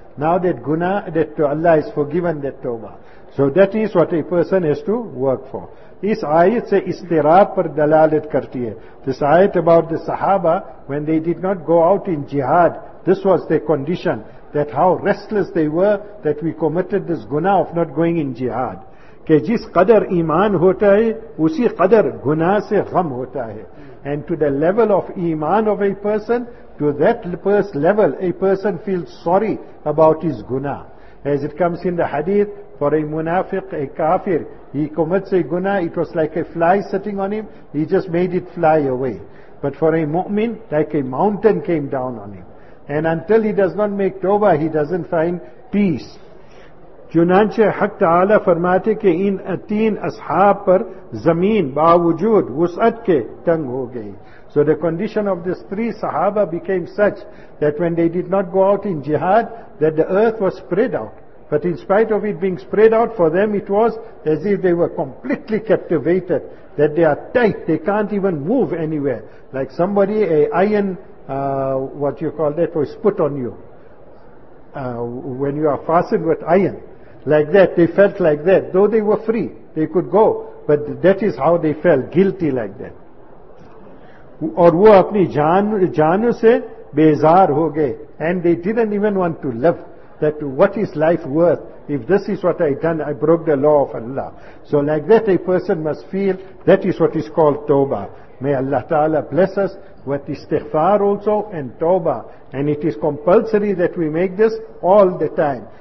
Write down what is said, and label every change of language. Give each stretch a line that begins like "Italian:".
English: Now that guna, that Allah has forgiven that tawbah. So that is what a person has to work for. This
Urdu: ayat se istirab par dalalat karti hai.
English: This ayat about the sahaba, when they did not go out in jihad, this was their condition, that how restless they were, that we committed this guna of not going in jihad.
Urdu: کہ جس قدر ایمان ہوتا ہے اسی قدر گناہ سے غم ہوتا ہے.
English: And to the level of ایمان of a person, to that level a person feels sorry about his guna. As it comes in the hadith, for a munafiq, a kafir, he commits a guna, it was like a fly sitting on him, he just made it fly away. But for a mu'min, like a mountain came down on him. And until he does not make tawbah, he doesn't find peace.
Urdu: چنانچہ حق تعالی فرماتے کہ ان تین اصحاب پر زمین باوجود وسعت کے تنگ ہو گئی.
English: So the condition of these three sahaba became such that when they did not go out in jihad, that the earth was spread out. But in spite of it being spread out, for them it was as if they were completely captivated, that they are tight, they can't even move anywhere. Like somebody, a iron, what you call that, was put on you. When you are fastened with iron, like that, they felt like that, though they were free, they could go, but that is how they felt, guilty like that.
Urdu: اور وہ اپنی جانوں سے بیزار ہو گئے.
English: And they didn't even want to live. That what is life worth? If this is what I done, I broke the law of Allah. So like that a person must feel, that is what is called tawbah. May Allah Ta'ala bless us with istighfar also and tawbah. And it is compulsory that we make this all the time.